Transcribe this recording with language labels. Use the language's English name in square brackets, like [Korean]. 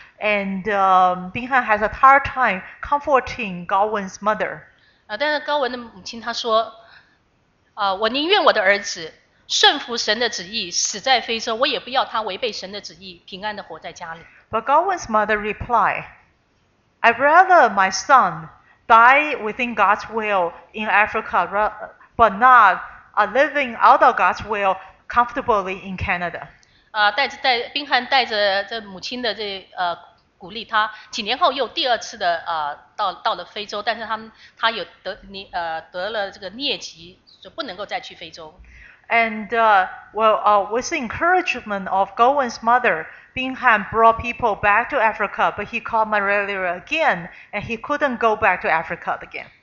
[English] And Bin Han has a hard time comforting Gowen's mother. [Chinese] 但是高文的母亲她说，我宁愿我的儿子顺服神的旨意死在非洲，我也不要他违背神的旨意平安的活在家里。 [English] But Gowen's mother replied, I'd rather my son die within God's will in Africa, but not living out of God's will comfortably in Canada. [Chinese] 宾汉带着这母亲的这鼓励他。几年后又第二次的到了非洲，但是他有得了这个疟疾，就不能够再去非洲。 [English] And with the encouragement of Gowen's mother, Bingham brought people back to Africa, but he caught malaria again, and he couldn't go back to Africa again.